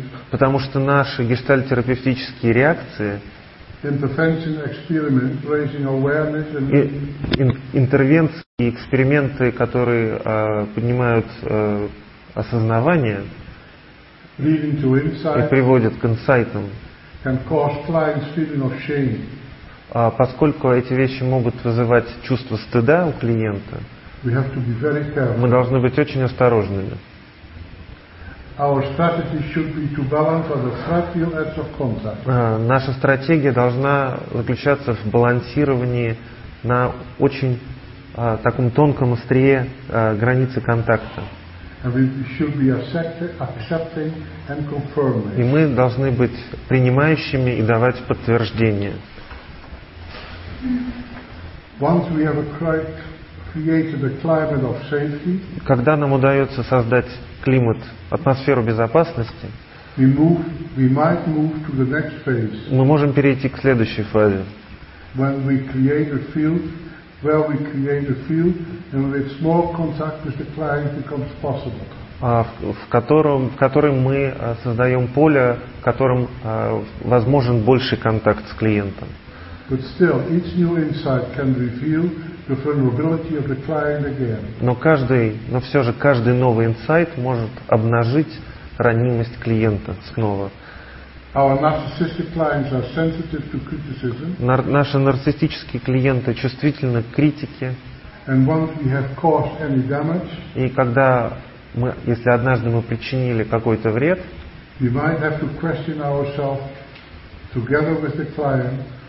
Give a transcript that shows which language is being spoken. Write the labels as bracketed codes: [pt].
[ru] Потому что наши гештальт-терапевтические реакции [en] Intervention, experiment, raising awareness and... [ru] Интервенции и эксперименты, которые поднимают осознавание [en] leading to insight, [ru] и приводят к инсайтам, [en] can cause clients feeling of shame. [ru] Поскольку эти вещи могут вызывать чувство стыда у клиента, [en] we have to be very careful. [ru] Мы должны быть очень осторожными. [en] Our strategy should be to balance the fragile edge of contact. [ru] Наша стратегия должна заключаться в балансировании на очень таком тонком острие границы контакта. [en] And we should be accepting and confirming. [ru] И мы должны быть принимающими и давать подтверждение. [en] Once we have created a climate of safety, [ru] когда нам удается создать климат, атмосферу безопасности, мы можем перейти к следующей фазе, в котором мы создаем поле, в котором возможен больший контакт с клиентом. [en] But still, each new insight can reveal the vulnerability of the client again. [ru] Но все же каждый новый инсайт может обнажить ранимость клиента снова. [en] Our narcissistic clients are sensitive to criticism. [ru] Наши нарциссические клиенты чувствительны к критике. [en] And once we have caused any damage, [ru] если однажды мы причинили какой-то вред, [en] we might have to question ourselves together with the client.